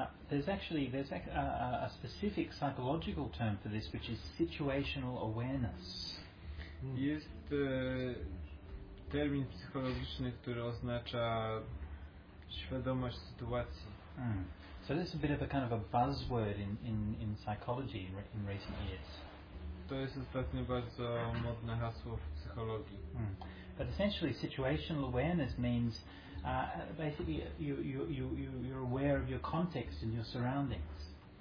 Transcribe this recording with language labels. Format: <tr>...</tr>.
<en>There's a specific psychological term for this, which is situational awareness.</en> <pl>Jest termin psychologiczny, który oznacza świadomość sytuacji. Mm.</pl> <en>So this is a bit of a kind of a buzzword in psychology in recent years.</en> <pl>To jest ostatnio bardzo modne hasło w psychologii. Mm.</pl> <en>But essentially, situational awareness means basically you're aware of your context and your surroundings.</en>